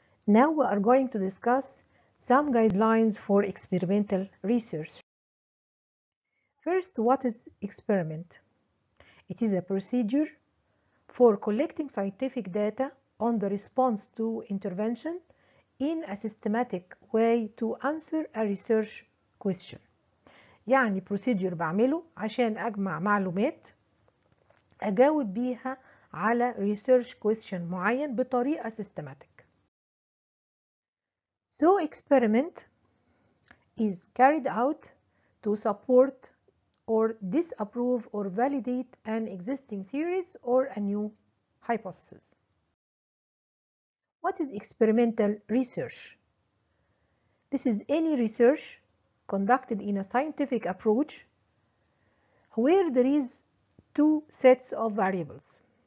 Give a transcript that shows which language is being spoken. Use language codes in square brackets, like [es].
[en] Now we are going to discuss some guidelines for experimental research. First, what is experiment? It is a procedure for collecting scientific data on the response to intervention in a systematic way to answer a research question. [ar] يعني procedure بعمله عشان أجمع معلومات أجاوب بيها على research question معين بطريقة systematic. [en] So experiment is carried out to support or disapprove or validate an existing theories or a new hypothesis. What is experimental research? This is any research conducted in a scientific approach where there is two sets of variables.